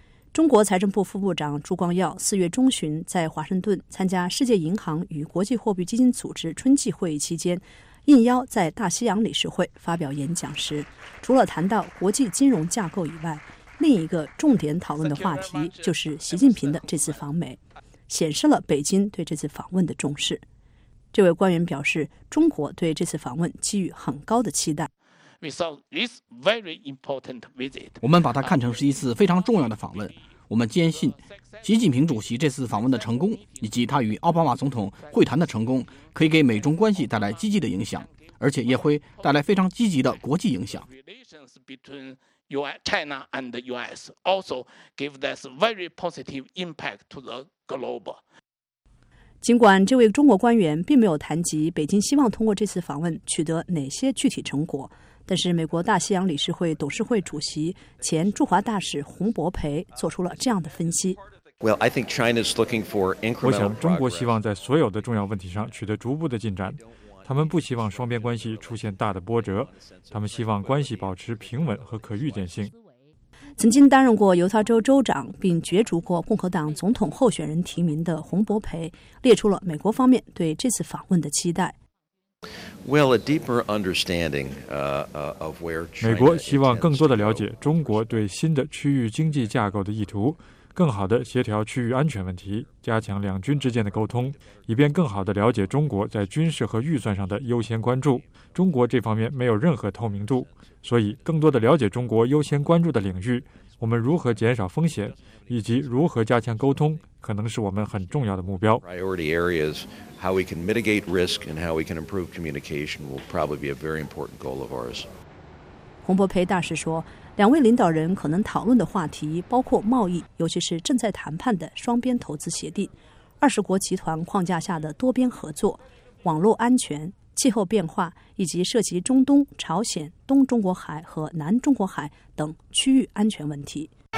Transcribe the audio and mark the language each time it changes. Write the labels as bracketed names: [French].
[Chinese] 中国财政部副部长朱光耀四月中旬在华盛顿参加世界银行与国际货币基金组织春季会议期间，应邀在大西洋理事会发表演讲时，除了谈到国际金融架构以外，另一个重点讨论的话题就是习近平的这次访美，显示了北京对这次访问的重视。这位官员表示，中国对这次访问寄予很高的期待。 [English] We saw this very important visit. [Chinese] 我们把它看成是一次非常重要的访问。我们坚信，习近平主席这次访问的成功，以及他与奥巴马总统会谈的成功，可以给美中关系带来积极的影响，而且也会带来非常积极的国际影响。 [English] Relations between China and the U.S. also give this very positive impact to the global. [Chinese] 尽管这位中国官员并没有谈及北京希望通过这次访问取得哪些具体成果。但是美国大西洋理事会董事会主席前驻华大使洪博培做出了这样的分析。 [English] Well, I think China is looking for incremental. [Chinese] 我想中国希望在所有的重要问题上取得逐步的进展，他们不希望双边关系出现大的波折，他们希望关系保持平稳和可预见性。曾经担任过犹他州州长并角逐过共和党总统候选人提名的洪博培列出了美国方面对这次访问的期待。美国希望更多的了解中国对新的区域经济架构的意图，更好地协调区域安全问题，加强两军之间的沟通，以便更好地了解中国在军事和预算上的优先关注。中国这方面没有任何透明度，所以更多地了解中国优先关注的领域，我们如何减少风险，以及如何加强沟通，可能是我们很重要的目标。 [English] Priority areas, how we can mitigate risk and how we can improve communication will probably be a very important goal of ours. [Chinese] 洪博培大使说，两位领导人可能讨论的话题包括贸易，尤其是正在谈判的双边投资协定、二十国集团框架下的多边合作、网络安全、气候变化，以及涉及中东、朝鲜、东中国海和南中国海等区域安全问题。